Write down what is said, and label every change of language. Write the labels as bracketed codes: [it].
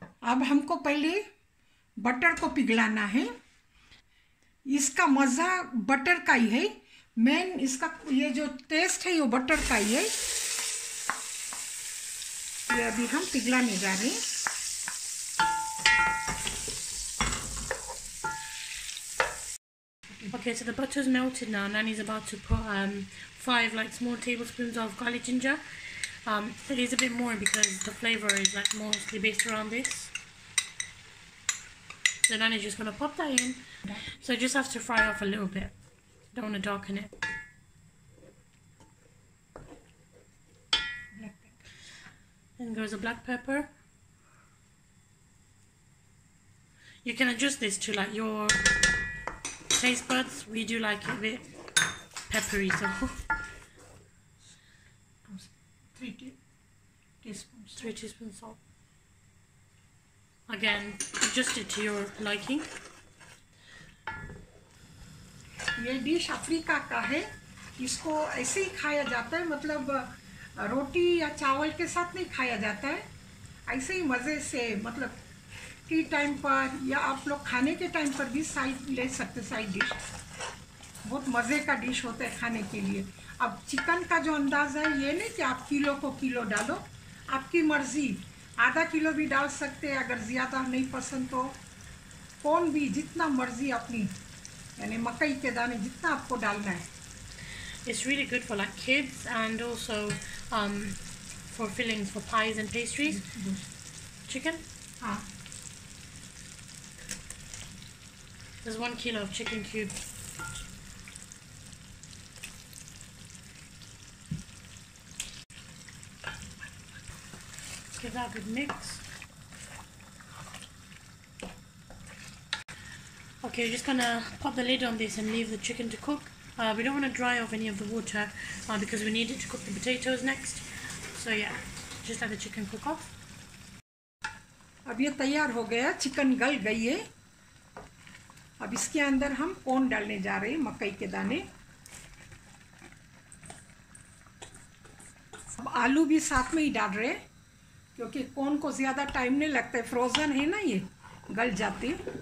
[hi] अब हमको पहले बटर को पिघलाना है। इसका मज़ा बटर का ही है, मेन इसका ये जो टेस्ट है वो बटर का ही है। ये अभी हम पिघलाने जा रहे हैं। [en] Okay, so the butter's melted now. Nanny's about to put 5 like small tablespoons of garlic ginger. It is a bit more because the flavor is like mostly based around this. So Nanny's just gonna pop that in. So it just has to fry off a little bit. Don't wanna darken it. And goes a black pepper. You can adjust this to like your taste buds. We do like it a bit peppery, so 3 teaspoons. 3 teaspoons salt. Again, adjust it to your liking. [hi] ये dish Africa का है, इसको ऐसे ही खाया जाता है, मतलब रोटी या चावल के साथ नहीं खाया जाता है, ऐसे ही मज़े से, मतलब टी टाइम पर या आप लोग खाने के टाइम पर भी साइड ले सकते हैं, साइड डिश, बहुत मज़े का डिश होता है खाने के लिए। अब चिकन का जो अंदाज़ है, ये नहीं कि आप किलो को किलो डालो, आपकी मर्ज़ी, आधा किलो भी डाल सकते हैं अगर ज़्यादा नहीं पसंद तो, कौन भी जितना मर्ज़ी अपनी, यानी मकई के दाने जितना आपको डालना है। [en] It's really good for like kids and also for fillings for pies and pastries. Chicken? [hi] हाँ, [en] there's 1 kilo of chicken cubes. Give that a good mix. Okay, we're just gonna pop the lid on this and leave the chicken to cook. We don't want to dry off any of the water because we need it to cook the potatoes next. So yeah, just let the chicken cook off. [hi] अब ये तैयार हो गया, chicken गल गई है। अब इसके अंदर हम कॉर्न डालने जा रहे हैं, मकई के दाने। अब आलू भी साथ में ही डाल रहे हैं क्योंकि कॉर्न को ज़्यादा टाइम नहीं लगता है, फ्रोजन है ना, ये गल जाते हैं।